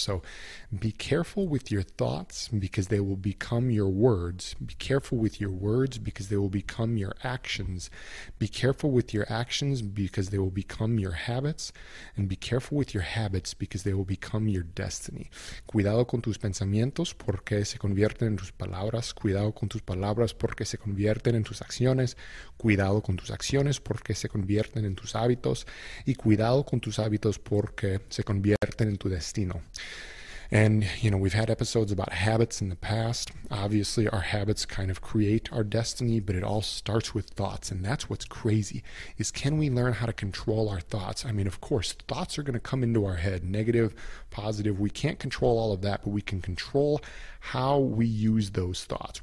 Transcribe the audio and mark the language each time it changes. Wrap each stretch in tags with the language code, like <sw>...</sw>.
<en>So, be careful with your thoughts because they will become your words. Be careful with your words because they will become your actions. Be careful with your actions because they will become your habits. And be careful with your habits because they will become your destiny.</en> <es>Cuidado con tus pensamientos porque se convierten en tus palabras. Cuidado con tus palabras porque se convierten en tus acciones. Cuidado con tus acciones porque se convierten en tus hábitos, y cuidado con tus hábitos porque se convierten en tu destino.</es> <en>And, you know, we've had episodes about habits in the past. Obviously, our habits kind of create our destiny, but it all starts with thoughts. And that's what's crazy, is can we learn how to control our thoughts? I mean, of course, thoughts are going to come into our head, negative, positive. We can't control all of that, but we can control how we use those thoughts.</en>